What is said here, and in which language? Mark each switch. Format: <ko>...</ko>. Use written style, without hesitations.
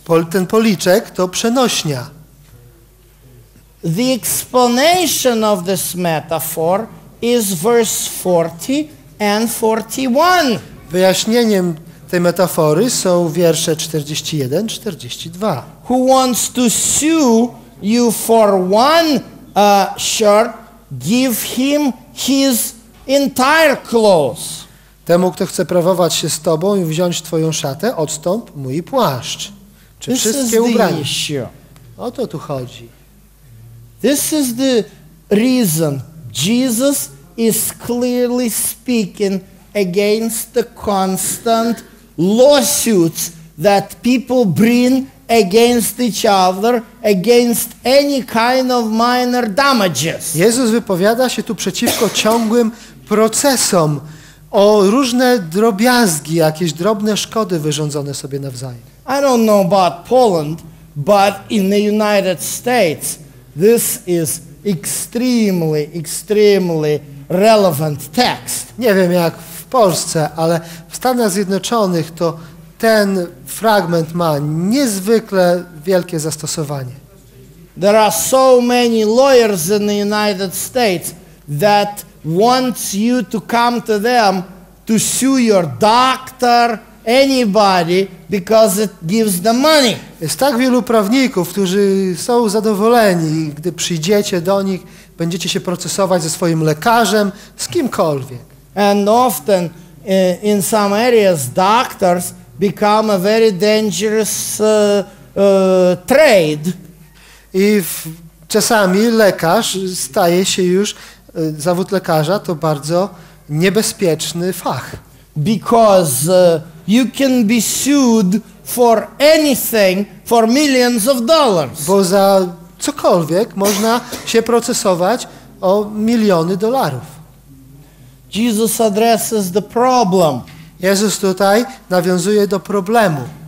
<pl>Ten policzek to przenośnia.</pl> <en>The explanation of this metaphor is verse 40 and 41.</en> <pl>Wyjaśnieniem tej metafory są wiersze 41, 42.</pl> <en>Who wants to sue you for one shirt, give him his entire clothes.</en> <pl>Temu, kto chce prawować się z tobą i wziąć twoją szatę, odstąp mój płaszcz. Czy</pl> <en>this</en> <pl>wszystkie ubrania.</pl> <en>Issue.</en> <pl>O to tu chodzi.</pl> <en>This is the reason Jesus is clearly speaking against the constant lawsuits that people bring against each other, against any kind of minor damages.</en> <pl>Jezus wypowiada się tu przeciwko ciągłym procesom o różne drobiazgi, jakieś drobne szkody wyrządzone sobie nawzajem.</pl> <en>I don't know about Poland, but in the United States this is extremely, extremely relevant text.</en> <pl>Nie wiem jak w Polsce, ale w Stanach Zjednoczonych to ten fragment ma niezwykle wielkie zastosowanie.</pl> <en>There are so many lawyers in the United States that wants you to come to them to sue your doctor, anybody, because it gives them money.</en> <pl>Jest tak wielu prawników, którzy są zadowoleni, gdy przyjdziecie do nich, będziecie się procesować ze swoim lekarzem, z kimkolwiek.</pl> <en>And often in some areas doctors become a very dangerous trade.</en> <pl>I czasami lekarz staje się już, zawód lekarza to bardzo niebezpieczny fach.</pl> <en>Because you can be sued for anything for millions of dollars.</en> <pl>Bo za cokolwiek można się procesować o miliony dolarów.</pl> <en>Jesus addresses the problem.</en> <pl>Jezus tutaj nawiązuje do problemu.</pl>